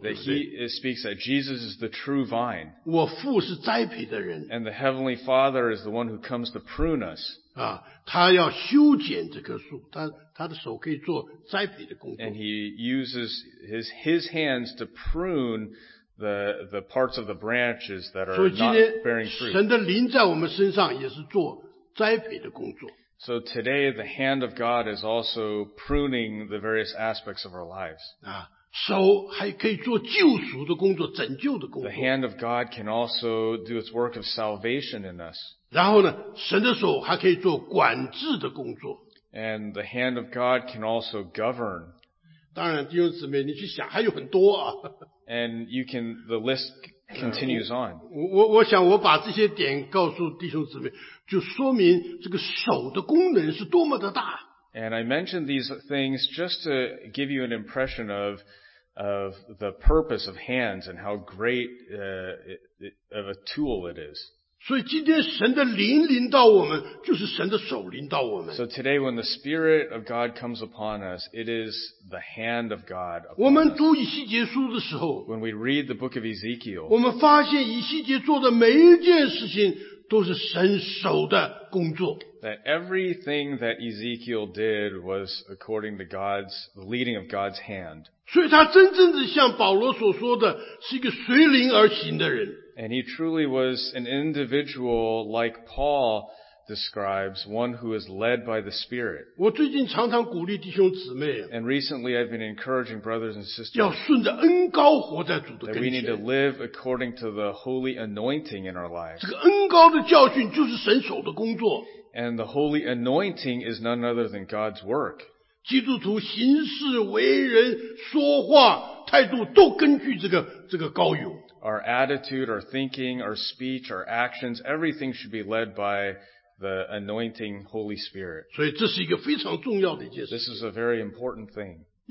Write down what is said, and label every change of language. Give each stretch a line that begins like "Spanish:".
English: that he speaks that Jesus is the true vine.
Chinese: 我父是栽培的人,
English: and the Heavenly Father is the one who comes to prune us.
Chinese: 啊, 他要修剪这棵树, 他的手可以做栽培的工作,
English: and he uses his hands to prune the parts of the branches that are not bearing fruit.
Chinese: 神的灵在我们身上也是做栽培的工作。
English: So today the hand of God is also pruning the various aspects of our lives.
Chinese: 啊, 手还可以做救赎的工作,拯救的工作。
English: The hand of God can also do its work of salvation in us.
Chinese: 然后呢, 神的手还可以做管制的工作。
English: And the hand of God can also govern.
Chinese: 当然弟兄姊妹你去想还有很多啊。
English: And you can, the list continues on.
Chinese: 我想我把这些点告诉弟兄姊妹, 就说明这个手的功能是多么的大。
English: And I mentioned these things just to give you an impression of the purpose of hands and how great of a tool it is.
Chinese: 所以今天神的灵临到我们, 就是神的手临到我们。
English: So today when the Spirit of God comes upon us, it is the hand of God upon us.
Chinese: 我们读以西结书的时候,
English: when we read the book of Ezekiel,
Chinese: 我们发现以西结做的每一件事情, 都是神手的工作。
English: That everything that Ezekiel did was according to God's, the leading of God's hand.
Chinese: 所以他真正的像保罗所说的, 是一个随灵而行的人。
English: And he truly was an individual like Paul describes, one who is led by the Spirit.
Chinese: 我最近常常鼓励弟兄姊妹,
English: and recently I've been encouraging brothers and sisters
Chinese: 要顺着恩膏活在主的跟前,
English: that we need to live according to the holy anointing in our lives.
Chinese: 这个恩膏的教训就是神手的工作。
English: And the holy anointing is none other than God's work.
Chinese: 基督徒行事为人说话态度都根据这个膏油。
English: Our attitude, our thinking, our speech, our actions, everything should be led by the anointing Holy Spirit. This is a very important thing.